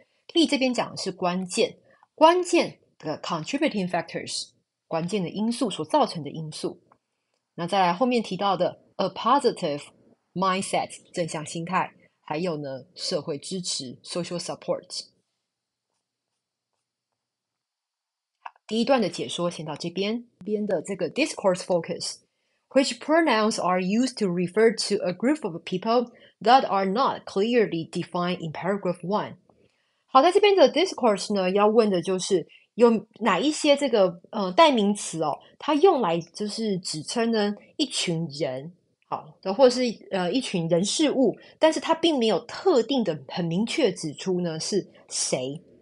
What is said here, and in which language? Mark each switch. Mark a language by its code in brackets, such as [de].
[zh] key 这边讲的是关键，关键的 [en] contributing factors， [zh] 关键的因素所造成的因素。那再来后面提到的。 [en] A positive mindset， [zh] 正向心态，还有呢，社会支持 [en] （social support）。 [zh] 第一段的解说先到这边。边的这个 [en] discourse focus，which pronouns are used to refer to a group of people that are not clearly defined in paragraph one？ [zh] 好，在这边的 discourse 呢，要问的就是。有哪一些这个代名词哦，它用来就是指称呢一群人，好的，或者是一群人事物，但是它并没有特定的很明确指出呢是谁。